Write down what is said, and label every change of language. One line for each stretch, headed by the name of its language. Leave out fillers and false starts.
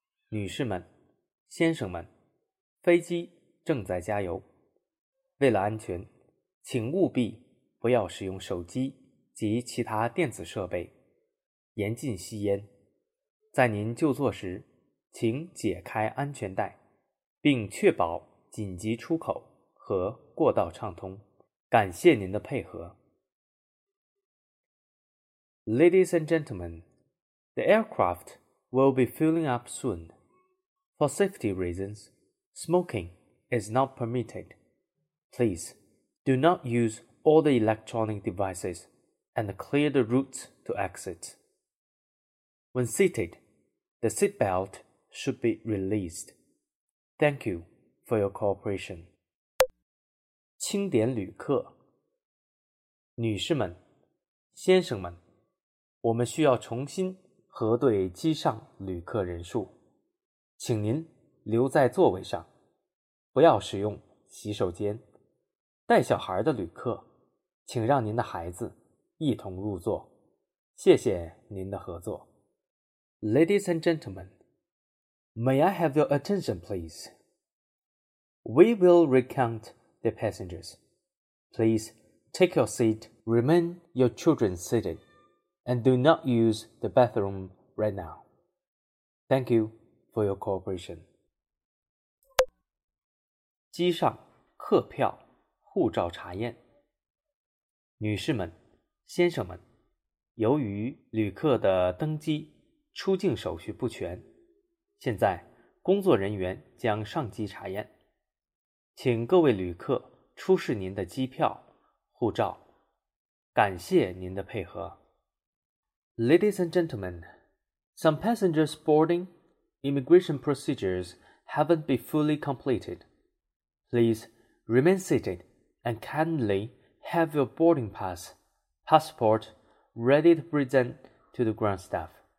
Chinese: 女士们，先生们，飞机正在加油，为了安全，请务必不要使用手机及其他电子设备，严禁吸烟。在您就座时，请解开安全带，并确保紧急出口和过道畅通。感谢您的配合。
English: Ladies and gentlemen, the aircraft will be filling up soon. For safety reasons, smoking is not permitted. Please do not use all the electronic devices and clear the routes to exit. When seated, the seat beltshould be released. Thank you for your cooperation.
Chinese: 清点旅客。女士们，先生们，我们需要重新核对机上旅客人数。请您留在座位上，不要使用洗手间。带小孩的旅客，请让您的孩子一同入座。谢谢您的合作。
English: Ladies and gentlemen,May I have your attention, please? We will recount the passengers. Please take your seat, remain your children seated, and do not use the bathroom right now. Thank you for your cooperation.
Chinese: 机上客票护照查验。女士们，先生们，由于旅客的登机出境手续不全，现在工作人员将上机查验，请各位旅客出示您的机票、护照，感谢您的配合。
English: Ladies and gentlemen, some passengers boarding immigration procedures haven't been fully completed. Please remain seated and kindly have your boarding pass, passport ready to present to the ground staff.